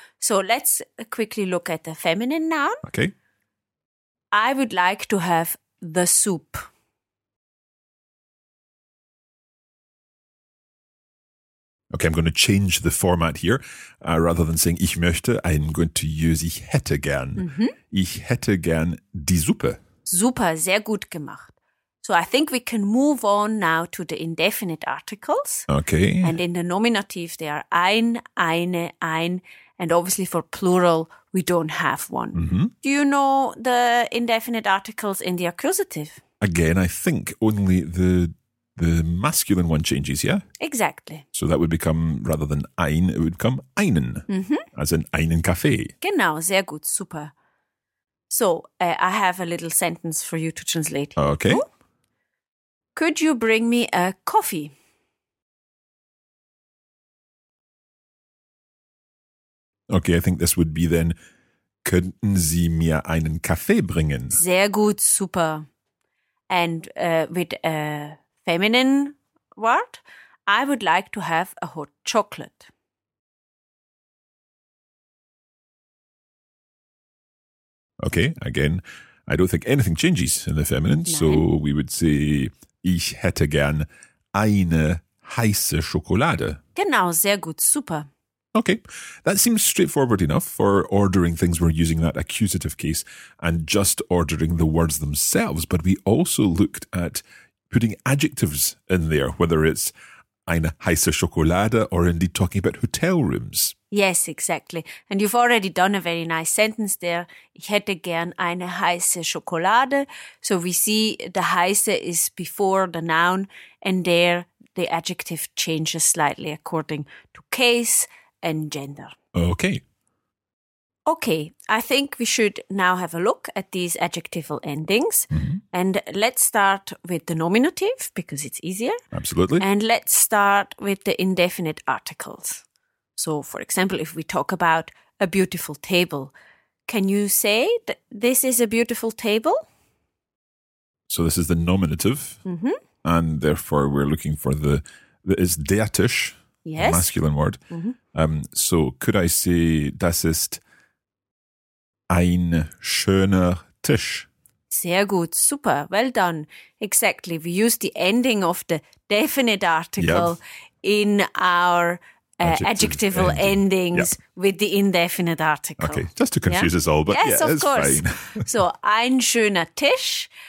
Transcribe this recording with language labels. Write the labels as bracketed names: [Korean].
[English] So let's quickly look at the feminine noun. Okay. I would like to have the soup. Okay, I'm going to change the format here. Rather than saying [German] ich möchte, [English] I'm going to use [German] ich hätte gern. Mm-hmm. Ich hätte gern die Suppe. Super, sehr gut gemacht. [English] So I think we can move on now to the indefinite articles. Okay. And in the nominative they are ein, eine, ein. And obviously for plural we don't have one. Mm-hmm. Do you know the indefinite articles in the accusative? Again, I think only the masculine one changes, yeah? Exactly. So that would become, rather than ein, it would become einen, mm-hmm. as in [German] einen Kaffee. Genau, sehr gut, super. [English] So, I have a little sentence for you to translate. Okay. Oh, could you bring me a coffee? Okay, I think this would be then, [German] könnten Sie mir einen Kaffee bringen? Sehr gut, super. [English] And with a feminine word, I would like to have a hot chocolate. Okay, again, I don't think anything changes in the feminine. [German] Nein. [English] So we would say, [German] ich hätte gern eine heiße Schokolade. Genau, sehr gut, super. [English] Okay, that seems straightforward enough for ordering things. We're using that accusative case and just ordering the words themselves. But we also looked at putting adjectives in there, whether it's [German] eine heiße Schokolade [English] or indeed talking about hotel rooms. Yes, exactly. And you've already done a very nice sentence there. [German] Ich hätte gern eine heiße Schokolade. [English] So we see the heiße is before the noun and there the adjective changes slightly according to case and gender. Okay. Okay, I think we should now have a look at these adjectival endings. Mm-hmm. And let's start with the nominative because it's easier. Absolutely. And let's start with the indefinite articles. So, for example, if we talk about a beautiful table, can you say that this is a beautiful table? So this is the nominative. Mm-hmm. And therefore we're looking for is der Tisch, yes. The masculine word. Mm-hmm. So could I say [German] das ist ein schöner Tisch. Sehr gut, super, [English] well done. Exactly, we use the ending of the definite article yep. in our adjectival endings yep. with the indefinite article. Okay, just to confuse us all, but yes, it's course. Fine. [German] So, ein schöner Tisch.